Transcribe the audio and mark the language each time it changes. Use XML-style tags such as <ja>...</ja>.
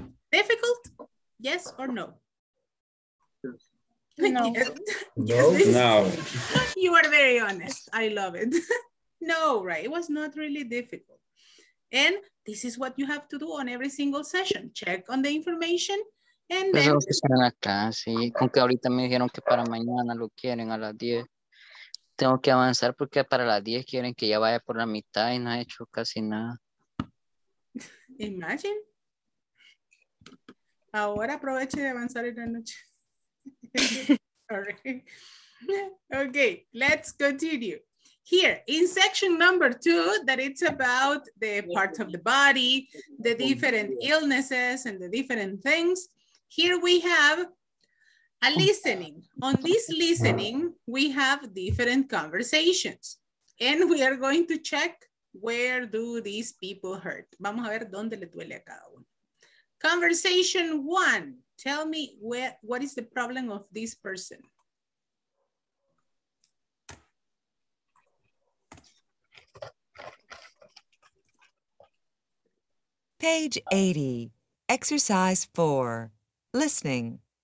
<en>Difficult? Yes or no? No. You are very honest. I love it. No, right? It was not really difficult. And this is what you have to do on every single session. Check on the information. And</en> <es>then... Lo que están acá, sí. Con que ahorita me dijeron que para mañana lo quieren a las 10. Tengo que avanzar porque para las 10 quieren que ya vaya por la mitad y no ha hecho casi nada.</es> <en>Imagine.</en> <es>Ahora aproveche de avanzar en la noche. Sorry.</es> <en>Okay, let's continue. Here, in section number 2, that it's about the part of the body, the different illnesses and the different things, here we have a listening. On this listening, we have different conversations. And we are going to check where do these people hurt.</en> <es>Vamos a ver dónde le duele a cada uno.</es> <en>Conversation 1. Tell me what is the problem of this person? Page 80, exercise 4, listening.</en>